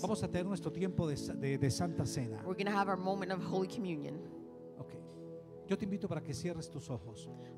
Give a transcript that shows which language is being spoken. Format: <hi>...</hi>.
<es>Vamos a tener nuestro tiempo de Santa Cena.</es> <en>We're going to have our moment of Holy Communion.</en> <es>Okay. Yo te invito para que cierres tus ojos.</es>